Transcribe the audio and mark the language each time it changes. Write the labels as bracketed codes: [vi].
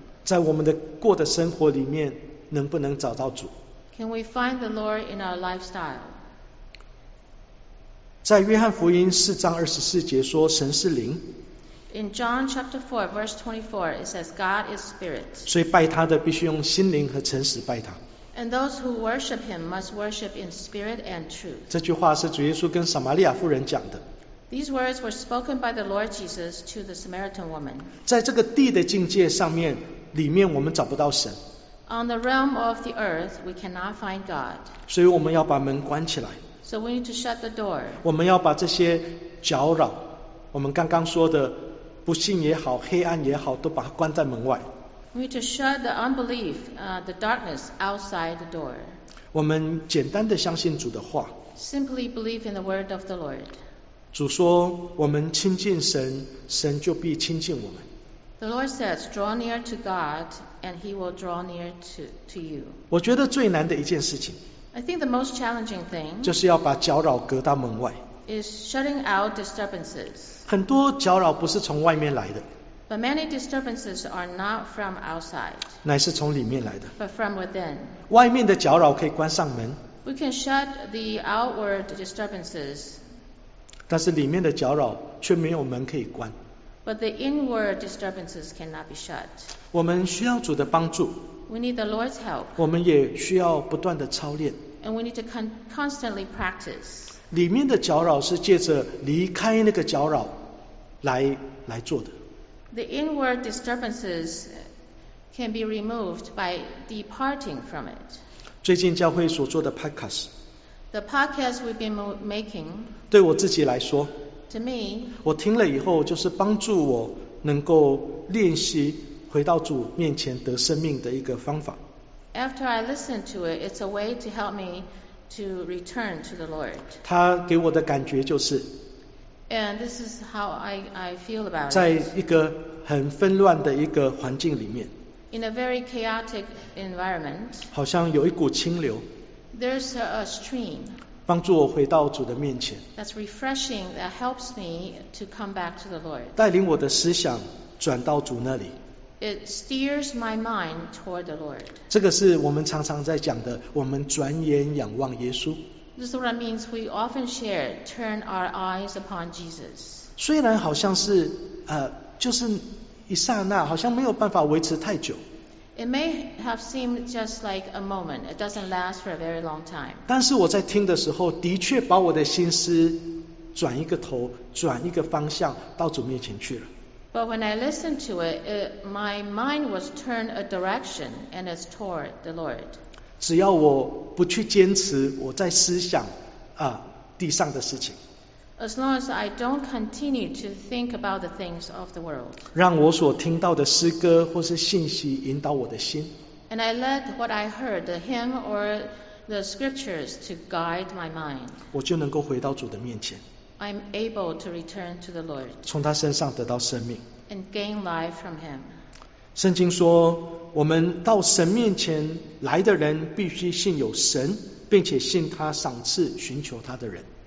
[zh] 在我们的过的生活里面，能不能找到主？ [en] Can we find the Lord in our lifestyle? [zh] 在约翰福音四章二十四节说，神是灵。 [en] In John chapter 4, verse 24, it says, God is spirit. [zh] 所以拜他的必须用心灵和诚实拜他。 [en] And those who worship him must worship in spirit and truth. [zh] 这句话是主耶稣跟撒玛利亚妇人讲的。 [en] These words were spoken by the Lord Jesus to the Samaritan woman. [zh] 在这个地的境界上面，里面我们找不到神。 [en] On the realm of the earth, we cannot find God. [zh] 所以我们要把门关起来。 [en] So we need to shut the door. [zh] 我们要把这些搅扰，我们刚刚说的不信也好，黑暗也好，都把它关在门外。 [en] We need to shut the unbelief, the darkness outside the door. [zh] 我们简单的相信主的话。 [en] Simply believe in the word of the Lord. [zh] 主说，我们亲近神，神就必亲近我们。 [en] The Lord says, draw near to God, and he will draw near to you. [zh] 我觉得最难的一件事情。 [en] I think the most challenging thing. [zh] 就是要把搅扰隔到门外。 [en] Is shutting out disturbances. [zh] 很多搅扰不是从外面来的。 [en] But many disturbances are not from outside. [zh] 乃是从里面来的。 [en] But from within. [zh] 外面的搅扰可以关上门。 [en] We can shut the outward disturbances. [zh] 但是里面的搅扰却没有门可以关。 [en] But the inward disturbances cannot be shut. [zh] 我们需要主的帮助。 [en] We need the Lord's help. [zh] 我们也需要不断的操练。 [en] And we need to constantly practice. [zh] 里面的搅扰是借着离开那个搅扰来做的。 [en] The inward disturbances can be removed by departing from it. [zh] 最近教会所做的 podcast. [en] The podcast we've been making. [zh] 对我自己来说。 [en] To me, [zh] 我听了以后就是帮助我能够练习回到主面前得生命的一个方法。 [en] After I listen to it, it's a way to help me to return to the Lord. [zh] 他给我的感觉就是 [en] And this is how I feel about it. [zh] 在一个很纷乱的一个环境里面 [en] In a very chaotic environment, [zh] 好像有一股清流 [en] There's a stream. [zh] 帮助我回到主的面前。 [en] That's refreshing. That helps me to come back to the Lord. [zh] 带领我的思想转到主那里。 [en] It steers my mind toward the Lord. [zh] 这个是我们常常在讲的，我们转眼仰望耶稣。 [en] This is what it means. We often share, turn our eyes upon Jesus. [zh] 虽然好像是就是一刹那，好像没有办法维持太久。 [en] It may have seemed just like a moment. It doesn't last for a very long time. [zh] 但是我在听的时候，的确把我的心思转一个头，转一个方向，到主面前去了。 [en] But when I listened to it, my mind was turned a direction and it's toward the Lord. [zh] 只要我不去坚持，我在思想地上的事情。 [en] As long as I don't continue to think about the things of the world, [zh] 让我所听到的诗歌或是信息引导我的心。 [en] And I let what I heard, the hymn or the scriptures, to guide my mind. [zh] 我就能够回到主的面前。 [en] I'm able to return to the Lord. [zh] 从他身上得到生命。 [en] And gain life from him. [zh] 圣经说，我们到神面前来的人必须信有神，并且信他赏赐寻求他的人。